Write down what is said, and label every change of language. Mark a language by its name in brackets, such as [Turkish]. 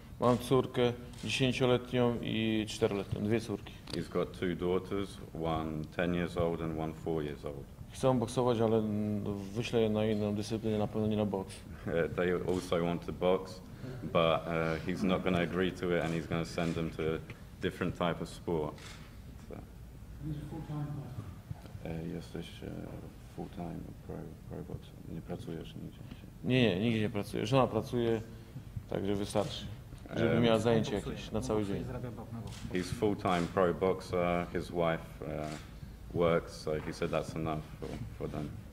[Polish] Mam córkę 10-letnią i 4-letnią, dwie córki. [English] He's got two daughters, one 10 years old and one 4 years old. [Polish] Chcą boksować, ale wyślę je na inną dyscyplinę, na pewno nie na boks. [English] They also want to box, but he's not going to agree to it and he's going to send them to a different type of sport. He's a full-time pro. [Polish] Jesteś [English] full-time pro boxer. [Polish] Nie pracujesz nigdzie? Nie, nigdzie nie pracuję. Żona pracuje, także wystarczy. Żeby miała zajęcie jakieś na cały dzień. [English] He's full-time pro boxer. His wife works, so he said that's enough for them.